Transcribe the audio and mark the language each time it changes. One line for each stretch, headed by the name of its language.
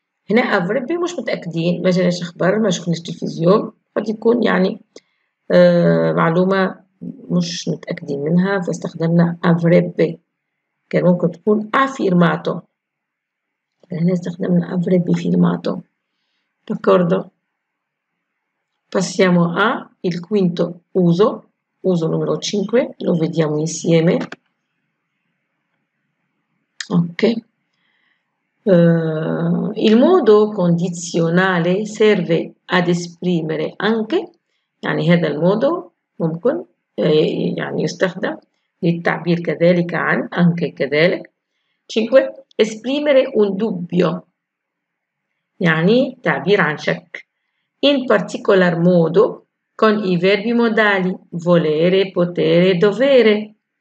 Arabic: هنا افربي مش متأكدين، ما جاناش اخبار، ما شفناش تلفزيون، قد يكون يعني معلومة مش متأكدين منها، فاستخدمنا افربي. كان ممكن تكون افيرماتو، هنا استخدمنا افربي فيرماتو.
Italian: دكوردو، passiamo a il quinto uso, uso numero 5, lo vediamo insieme. Ok. Il modo condizionale serve ad esprimere anche,
Arabic: يعني هذا المودو ممكن يعني يستخدم للتعبير كذلك عن anche كذلك. 5.
Italian: Esprimere un dubbio,
Arabic: يعني تعبير عن شك.
Italian: In particolar modo con i verbi modali volere, potere, dovere.